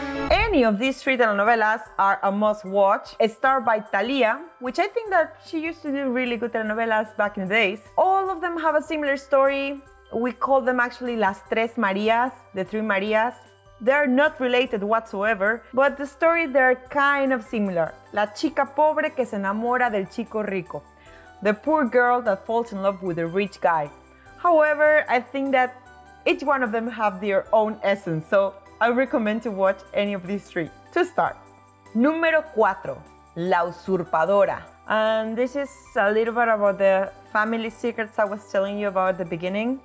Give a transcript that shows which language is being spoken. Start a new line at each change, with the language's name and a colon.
English: Any of these three telenovelas are a must watch, starred by Thalía, which I think that she used to do really good telenovelas back in the days. All of them have a similar story. We call them actually Las Tres Marías, the Three Marías. They are not related whatsoever, but the story, they are kind of similar.
Spanish: La chica pobre que se enamora del chico rico.
English: The poor girl that falls in love with a rich guy. However, I think that each one of them have their own essence, so I recommend to watch any of these three. To start.
Spanish: Número 4. La Usurpadora.
English: And this is a little bit about the family secrets I was telling you about at the beginning.